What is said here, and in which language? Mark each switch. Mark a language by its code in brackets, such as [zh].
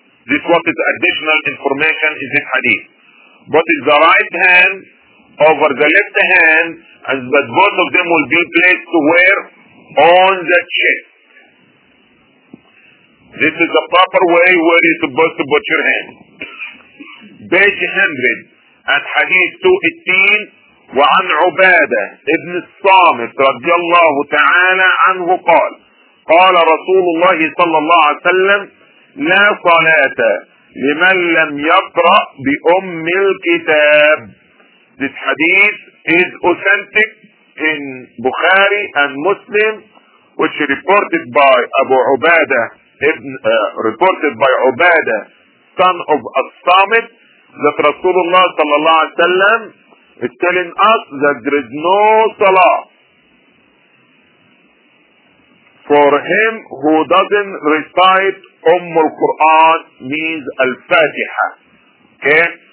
[en] This what is additional information in this hadith. But is the right hand over the left hand, and that both of them will be placed where? On the chest. This is the proper way where you're supposed to put your hand. Page 100 and Hadith 218 [ar] وعن عبادة ابن الصامت رضي الله تعالى عنه قال قال رسول الله صلى الله عليه وسلم لا صلاة لمن لم يقرأ بأم الكتاب. [en] This hadith is authentic in Bukhari and Muslim, which reported by Abu Ubadah, reported by Ubadah, son of As-Samit, that Rasulullah sallallahu alayhi wa sallam is telling us that there is no salah for him who doesn't recite Ummul Quran, means Al-Fatiha. Okay?